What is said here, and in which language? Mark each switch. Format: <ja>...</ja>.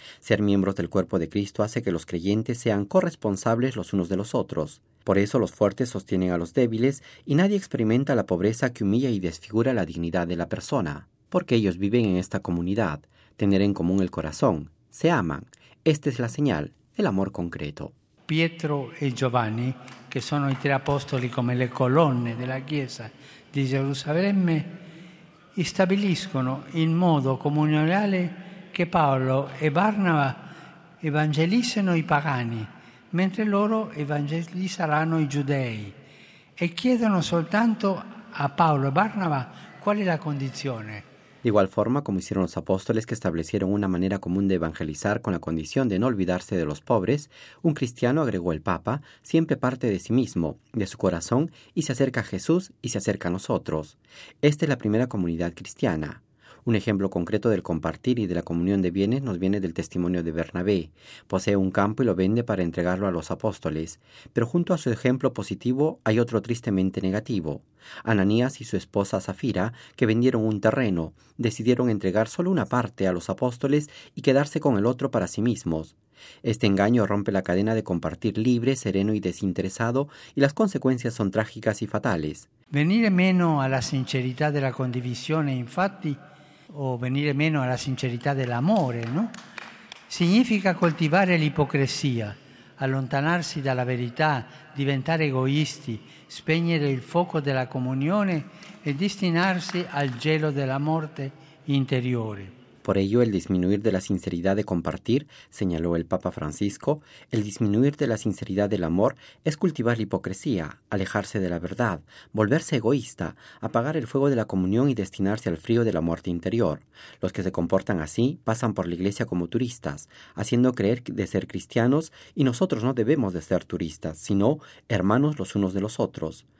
<es>Ser miembros del cuerpo de Cristo hace que los creyentes sean corresponsables los unos de los otros. Por eso los fuertes sostienen a los débiles y nadie experimenta la pobreza que humilla y desfigura la dignidad de la persona, porque ellos viven en esta comunidad, tener en común el corazón, se aman. Esta es la señal, el amor concreto.</es> <it>Pietro e Giovanni, che sono i tre apostoli come le colonne della Chiesa di Gerusalemme, stabiliscono in modo comunionale che Paolo e Barnaba evangelizzano i pagani, mentre loro evangelizzeranno i giudei, e chiedono soltanto a Paolo e Barnaba qual è la condizione.</it> <es>De igual forma, como hicieron los apóstoles que establecieron una manera común de evangelizar con la condición de no olvidarse de los pobres, un cristiano, agregó el Papa, siempre parte de sí mismo, de su corazón, y se acerca a Jesús y se acerca a nosotros. Esta es la primera comunidad cristiana. Un ejemplo concreto del compartir y de la comunión de bienes nos viene del testimonio de Bernabé. Posee un campo y lo vende para entregarlo a los apóstoles. Pero junto a su ejemplo positivo hay otro tristemente negativo. Ananías y su esposa Zafira, que vendieron un terreno, decidieron entregar solo una parte a los apóstoles y quedarse con el otro para sí mismos. Este engaño rompe la cadena de compartir libre, sereno y desinteresado, y las consecuencias son trágicas y fatales. Venir menos a la sinceridad de la condivisión,</es> <it>infatti, o venire meno alla sincerità dell'amore, no? Significa coltivare l'ipocrisia, allontanarsi dalla verità, diventare egoisti, spegnere il fuoco della comunione e destinarsi al gelo della morte interiore.</it> <es>Por ello, el disminuir de la sinceridad de compartir, señaló el Papa Francisco, el disminuir de la sinceridad del amor es cultivar la hipocresía, alejarse de la verdad, volverse egoísta, apagar el fuego de la comunión y destinarse al frío de la muerte interior. Los que se comportan así pasan por la iglesia como turistas, haciendo creer de ser cristianos y nosotros no debemos de ser turistas, sino hermanos los unos de los otros.</es>